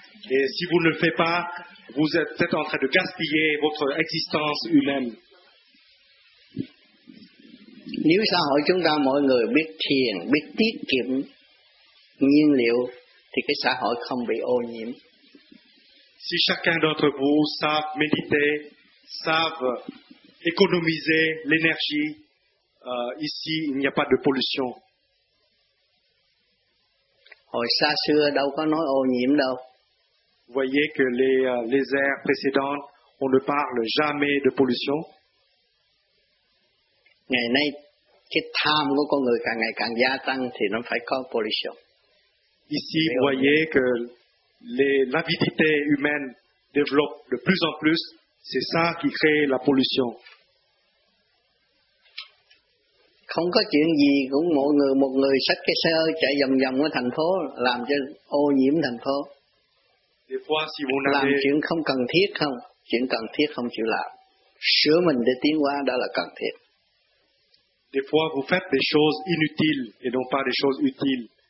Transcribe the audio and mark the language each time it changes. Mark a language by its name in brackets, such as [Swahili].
[French] Et si vous ne le faites pas, vous êtes peut-être en train de gaspiller votre existence humaine. [Vietnamese] Nếu xã hội chúng ta mọi người biết thiền, biết tiết kiệm nhiên liệu, thì cái xã hội không bị ô nhiễm. [French] Si chacun d'entre vous savent méditer, savent économiser l'énergie, ici il n'y a pas de pollution. [Vietnamese] Hồi xa xưa đâu có nói ô nhiễm đâu. [French] Vous voyez que les ères précédentes, on ne parle jamais de pollution. [Vietnamese] Ngày nay cái tham của con người càng ngày càng gia tăng thì nó phải có pollution. [French] Ici, vous voyez que l'avidité humaine développe de plus en plus, c'est ça qui crée la pollution. [Vietnamese] Không có chuyện gì cũng một người xách cái xe chạy vòng ở thành phố làm cho ô nhiễm thành phố. [French] Des fois, si vous [Vietnamese] làm chuyện không cần thiết không, chuyện cần thiết không chịu làm. Sửa mình để tiến qua đó là cần thiết. [French] Des fois, vous faites des choses inutiles et non pas des choses utiles.